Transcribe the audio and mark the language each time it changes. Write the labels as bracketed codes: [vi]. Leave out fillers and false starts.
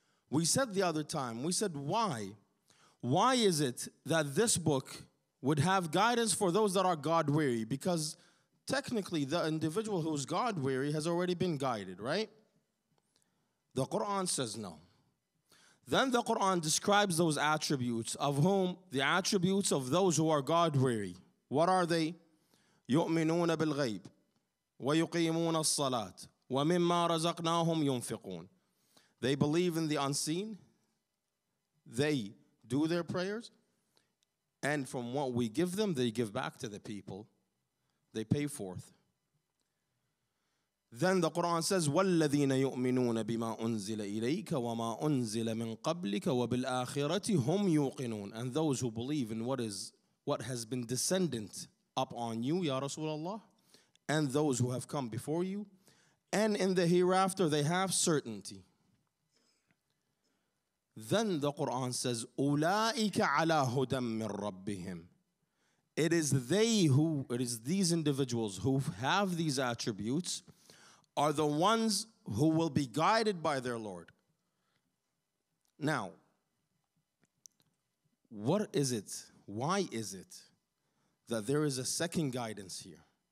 [en] We said the other time, we said, why? Why is it that this book would have guidance for those that are God-weary? Because technically, the individual who is God-weary has already been guided, right? The Quran says no. Then the Quran describes those attributes of whom? The attributes of those who are God-weary. What are they? [ar] يؤمنون بالغيب ويقيمون الصلاة ومما رزقناهم ينفقون. [en] They believe in the unseen. They do their prayers. And from what we give them, they give back to the people. They pay forth. Then the Quran says, [ar] وَالَّذِينَ يُؤْمِنُونَ بِمَا أُنزِلَ إِلَيْكَ وَمَا أُنزِلَ مِنْ قَبْلِكَ وَبِالْآخِرَةِ هُمْ يُوقِنُونَ. [en] And those who believe in what has been descendant upon you, Ya Rasulullah, and those who have come before you, and in the hereafter, they have certainty. Then the Quran says, [ar] أُولَٰئِكَ عَلَىٰ هُدًى مِنْ رَبِّهِمْ. [en] It is these individuals who have these attributes are the ones who will be guided by their Lord. Now, what is it? Why is it that there is a second guidance here?